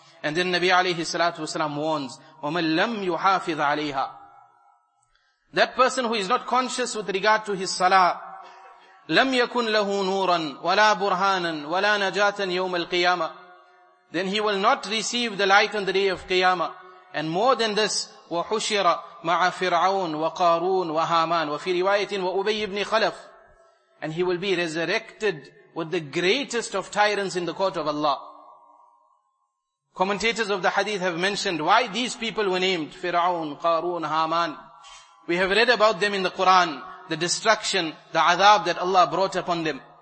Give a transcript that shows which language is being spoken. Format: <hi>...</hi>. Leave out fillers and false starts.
<en>And then Nabi alayhi salatu wasalam warns,</en> <ar>وَمَنْ لَمْ يُحَافِظْ عَلَيْهَا.</ar> <en>That person who is not conscious with regard to his salah,</en> <ar>لَمْ يَكُنْ لَهُ نُورًا وَلَا بُرْهَانًا وَلَا نَجَاتًا يَوْمَ الْقِيَامَةِ.</ar> <en>Then he will not receive the light on the day of Qiyamah. And more than this,</en> <ar>وَحُشِرَ مَعَ فِرْعَوْنَ وَقَارُونَ وَهَامَانَ وَفِي رِوَايَةٍ وَأُبَيْ بْنِ خَلَفٍ.</ar> <en>And he will be resurrected with the greatest of tyrants in the court of Allah. Commentators of the hadith have mentioned why these people were named Fir'aun, Qarun, Haman. We have read about them in the Quran, the destruction, the azab that Allah brought upon them.</en>